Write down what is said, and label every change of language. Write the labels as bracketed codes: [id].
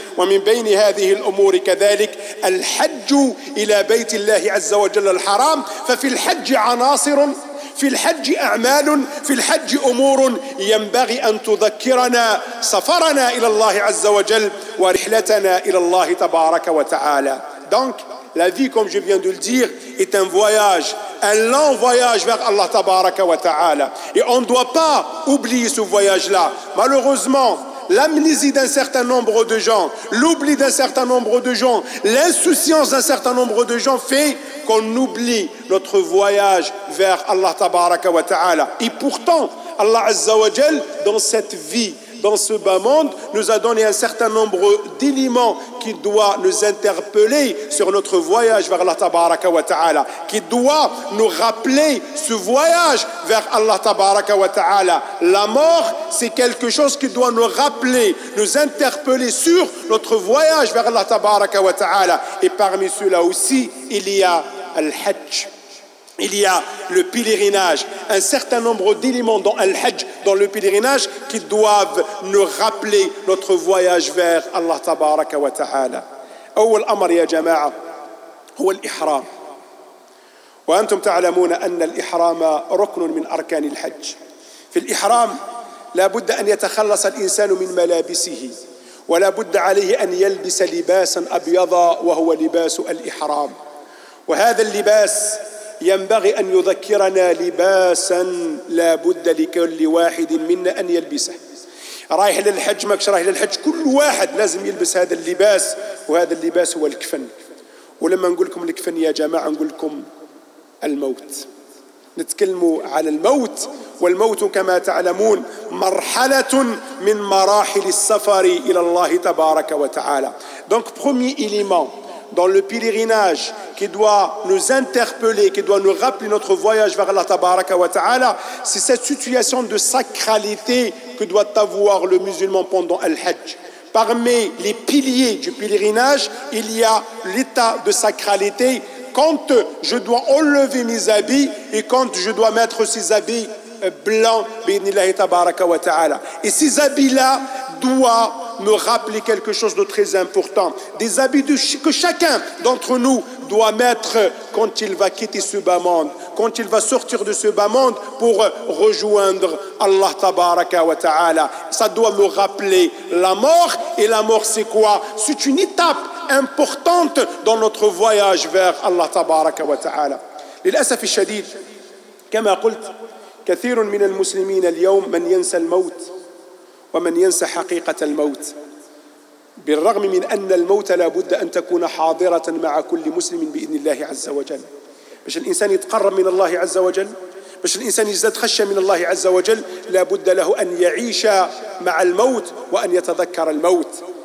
[ar] ومن بين هذه الأمور كذلك الحج إلى بيت الله عز وجل الحرام. ففي الحج عناصر، في الحج أعمال، في الحج أمور ينبغي أن تذكرنا سفرنا إلى الله عز وجل ورحلتنا إلى الله تبارك وتعالى. [fr] Donc la vie, comme je viens de le dire, est un voyage, un long voyage vers Allah tabaraka wa ta'ala. Et on ne doit pas oublier ce voyage-là. Malheureusement, l'amnésie d'un certain nombre de gens, l'oubli d'un certain nombre de gens, l'insouciance d'un certain nombre de gens fait qu'on oublie notre voyage vers Allah tabaraka wa ta'ala. Et pourtant, Allah azza wa jal, dans cette vie, dans ce bas monde, nous a donné un certain nombre d'éléments qui doit nous interpeller sur notre voyage vers Allah tabaraka wa ta'ala, qui doit nous rappeler ce voyage vers Allah tabaraka wa ta'ala. La mort, c'est quelque chose qui doit nous rappeler, nous interpeller sur notre voyage vers Allah tabaraka wa ta'ala. Et parmi ceux-là aussi, il y a al-hajj. Il y a le pèlerinage, un certain nombre d'éléments dans Al-Hajj, dans le pèlerinage, qui doivent nous rappeler notre voyage vers Allah tabaraka wa ta'ala. [ar] أول أمر يا جماعة هو الإحرام. وأنتم تعلمون أن الإحرام ركن من أركان الحج. في الإحرام لا بد أن يتخلص الإنسان من ملابسه، ولا بد عليه أن يلبس لباسا أبيضا وهو لباس الإحرام. وهذا اللباس ينبغي أن يذكرنا لباساً لا بد لكل واحد منا أن يلبسه. رايح للحج ماكش رايح للحج، كل واحد لازم يلبس هذا اللباس، وهذا اللباس هو الكفن. ولما نقول لكم الكفن يا جماعة نقول لكم الموت. نتكلم على الموت، والموت كما تعلمون مرحلة من مراحل السفر إلى الله تبارك وتعالى. [fr] Donc premier élément dans le pèlerinage qui doit nous interpeller, qui doit nous rappeler notre voyage vers Allah tabaraka wa ta'ala, c'est cette situation de sacralité que doit avoir le musulman pendant Al-Hajj. Parmi les piliers du pèlerinage, il y a l'état de sacralité quand je dois enlever mes habits et quand je dois mettre ces habits blancs, bi'inillahi tabaraka wa ta'ala. Et ces habits-là doivent me rappeler quelque chose de très important. Des habits que chacun d'entre nous doit mettre quand il va quitter ce bas-monde, quand il va sortir de ce bas-monde pour rejoindre Allah tabaraka wa ta'ala. Ça doit me rappeler la mort. Et la mort, c'est quoi? C'est une étape importante dans notre voyage vers Allah tabaraka wa ta'ala. [ar] للأسف الشديد كما قلت كثير من المسلمين اليوم من ينسى الموت ومن ينسى حقيقة الموت، بالرغم من أن الموت لابد أن تكون حاضرة مع كل مسلم بإذن الله عز وجل، باش الإنسان يتقرب من الله عز وجل، باش الإنسان يزداد خشية من الله عز وجل، لابد له أن يعيش مع الموت وأن يتذكر الموت.